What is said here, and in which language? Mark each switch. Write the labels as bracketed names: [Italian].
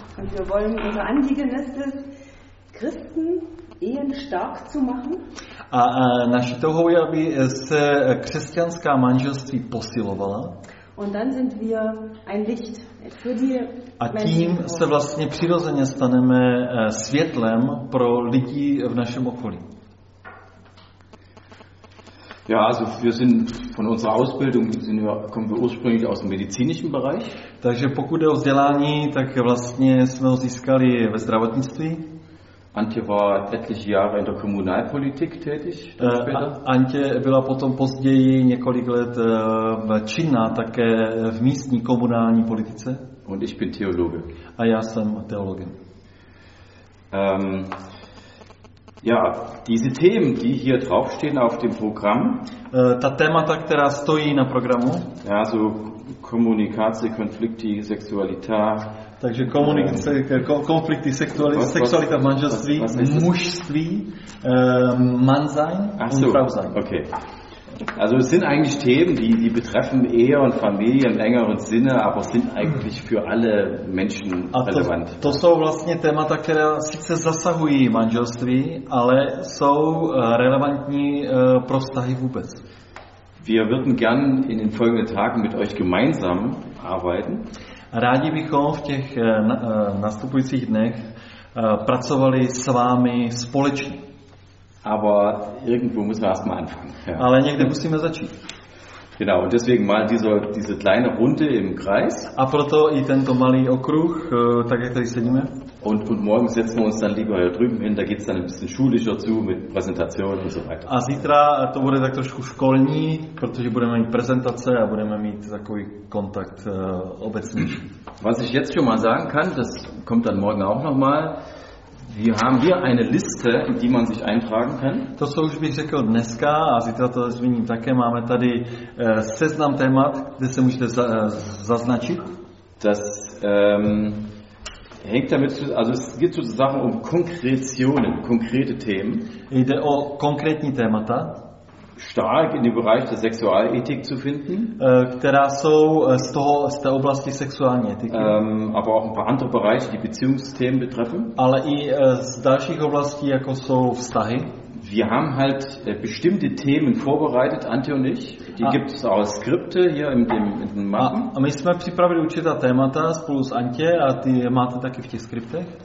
[German] Und wir wollen, unser Anliegen ist es, Christen Ehen stark zu machen. [Czech] A naše touhou je, aby se křesťanská manželství posilovala. [German] Und dann sind wir ein Licht für die [Czech] A tím se vlastně přirozeně staneme světlem pro lidi v našem okolí. [German] Ja, also wir sind von unserer Ausbildung sind wir, kommen wir ursprünglich aus dem medizinischen Bereich. [Czech] Takže pokud jde o vzdělání, tak vlastně jsme ho získali ve zdravotnictví. [German] Antje war etliche Jahre in der Kommunalpolitik tätig. [Czech] Antje byla potom později několik let činná také v místní komunální politice. [German] Und ich bin Theologe. [Czech] A já jsem teologem. [German] Ja, diese Themen, die hier draufstehen auf dem Programm. [Czech] Ta témata, která stojí na programu. [German] Ja, so Kommunikace, Konflikte, Sexualität. [Czech] Takže komunikace, konflikty, sexualita v manželství, mužství, [German] Mannsein und Frausein. Okay. Also es sind eigentlich Themen, die betreffen Ehe und Familie im engeren Sinne, aber sind eigentlich für alle Menschen relevant. [Czech] To jsou vlastně témata, která sice zasahují manželství, ale jsou relevantní pro vztahy vůbec. [German] Wir würden gern in den folgenden Tagen mit euch gemeinsam arbeiten. [Czech] Rádi bychom v těch nastupujících dnech pracovali s vámi společně. [German] Aber irgendwo müssen wir erstmal anfangen. [Czech] Ja. Ale někde musíme začít. [German] Genau, und deswegen mal diese kleine Runde im Kreis. [Czech] A proto i tento malý okruh, tak jak tady sedíme. [German] Und morgen setzen wir uns dann lieber hier drüben hin, da geht's dann ein bisschen schulischer zu mit Präsentation und so weiter. [Czech] A zítra to bude tak trošku školní, protože budeme mít prezentace a budeme mít takový kontakt obecný. [German] Was ich jetzt schon mal sagen kann, das kommt dann morgen auch noch mal. Wir haben hier eine Liste, in die man sich eintragen kann. [Czech] To co už bych řekl dneska, a zítra to zmíním také, máme tady seznam témat, kde se můžete zaznačit. [German] Das hängt damit, also es geht sozusagen um Konkretionen, konkrete Themen. [Czech] Jde o konkrétní témata. [German] Stark in dem Bereich der Sexualethik zu finden. [Czech] Která jsou z té oblasti sexuální etiky. [German] Aber auch ein paar andere Bereiche, die Beziehungsthemen betreffen. [Czech] Ale i z dalších oblastí, jako jsou vztahy. [German] Wir haben halt bestimmte Themen vorbereitet, Antje und ich. Die gibt es auch als Skripte hier in den Mappen. [Czech] A my jsme připravili určitá témata spolu s Antje a ty máte taky v těch skriptech.